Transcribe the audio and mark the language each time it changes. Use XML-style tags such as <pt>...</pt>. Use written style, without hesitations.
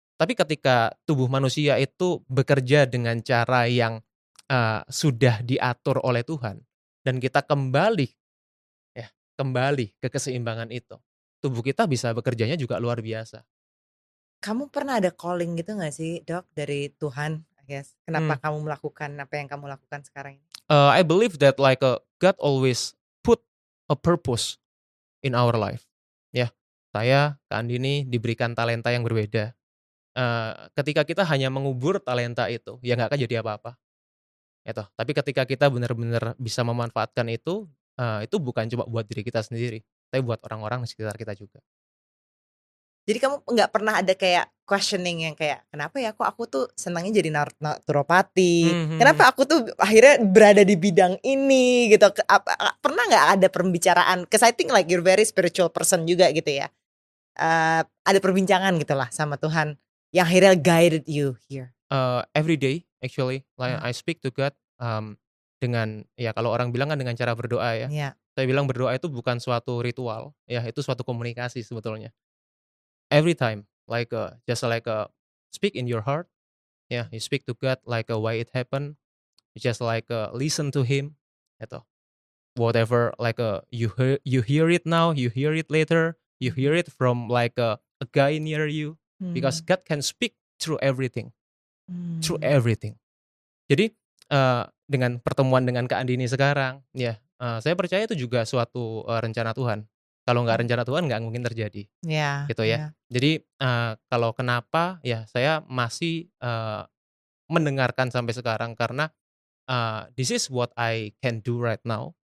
<id>Tapi ketika tubuh manusia itu bekerja dengan cara yang sudah diatur oleh Tuhan dan kita kembali ya, kembali ke keseimbangan itu, tubuh kita bisa bekerjanya juga luar biasa. Kamu pernah ada calling gitu nggak sih, Dok, dari Tuhan? Yes. Kenapa kamu melakukan apa yang kamu lakukan sekarang?</id> <en>I believe that like God always put a purpose in our life.</en> <id>Ya, yeah. Saya, Kak Andini diberikan talenta yang berbeda. Ketika kita hanya mengubur talenta itu, ya nggak akan jadi apa-apa. Itu. Tapi ketika kita benar-benar bisa memanfaatkan itu bukan cuma buat diri kita sendiri, tapi buat orang-orang di sekitar kita juga. Jadi kamu nggak pernah ada kayak questioning yang kayak, kenapa ya kok aku tuh senangnya jadi naturopati? Kenapa aku tuh akhirnya berada di bidang ini gitu? Pernah nggak ada pembicaraan?</id> <en>Because I think like you're very spiritual person</en> <id>juga gitu ya. Ada perbincangan gitu lah sama Tuhan yang akhirnya</id> <en>guided you here. Every day actually, like I speak to God</en> <id>dengan, ya kalau orang bilang kan dengan cara berdoa ya. Yeah. Saya bilang berdoa itu bukan suatu ritual, ya itu suatu komunikasi sebetulnya.</id> <en>Every time, like just like speak in your heart, yeah, you speak to God like why it happened, just like listen to Him, gitu. Whatever, like you hear it now, you hear it later, you hear it from like a guy near you, because God can speak through everything, through everything.</en> <id>Jadi dengan pertemuan dengan Kak Andini sekarang, ya saya percaya itu juga suatu rencana Tuhan. Kalau nggak rencana Tuhan nggak mungkin terjadi, yeah, gitu ya. Yeah. Jadi kalau kenapa ya saya masih mendengarkan sampai sekarang karena</id> <en>this is what I can do right now.</en>